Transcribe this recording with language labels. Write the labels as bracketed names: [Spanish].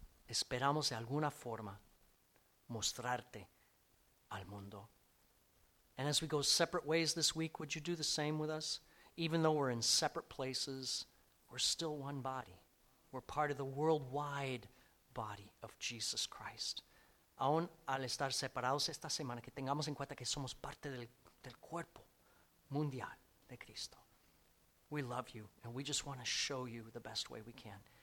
[Spanish] Esperamos de alguna forma mostrarte al mundo. [English] And as we go separate ways this week, would you do the same with us? Even though we're in separate places, we're still one body. We're part of the worldwide body of Jesus Christ. [Spanish] Aun al estar separados esta semana, que tengamos en cuenta que somos parte del cuerpo mundial de Cristo. [English] We love you, and we just want to show you the best way we can.